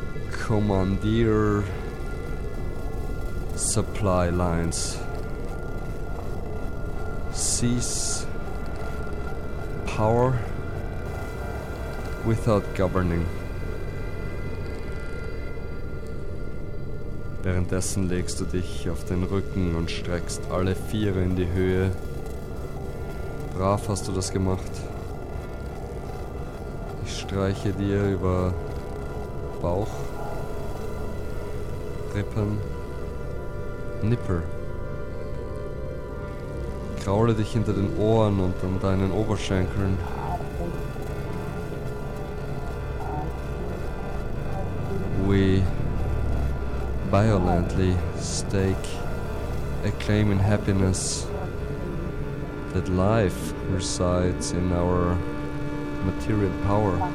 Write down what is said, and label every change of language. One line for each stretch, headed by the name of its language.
English: Commandeer Supply Lines. Cease power without governing.
German: Währenddessen legst du dich auf den Rücken und streckst alle Viere in die Höhe. Brav hast du das gemacht. Ich streiche dir über Bauch, Rippen, Nippel. Kraule dich hinter den Ohren und an deinen Oberschenkeln.
English: We violently stake a claim in happiness that life resides in our material power,